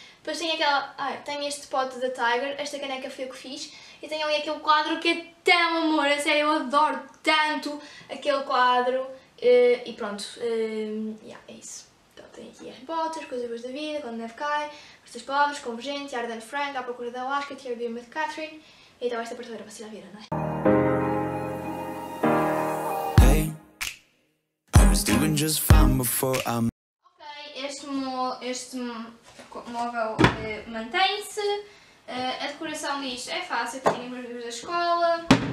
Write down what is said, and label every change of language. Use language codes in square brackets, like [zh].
[pt] Depois tem aquela, tem este pote da Tiger, esta caneca foi a que fiz, e tem ali aquele quadro que é tão amor, a sério, eu adoro tanto aquele quadro, e pronto, é isso. Tem aqui Harry Potter, Coisas Boas da Vida, Quando Neve Cai, Costas Pobres, Convergente, Arden Frank, A Procura da Alaska, Tear Beam with Catherine. E então esta prateleira vai ser a vida, não é? [en] Hey, I was doing just fine before I'm... [pt] Ok, este móvel mantém-se. A decoração disto é fácil, aqui tenho os livros da escola.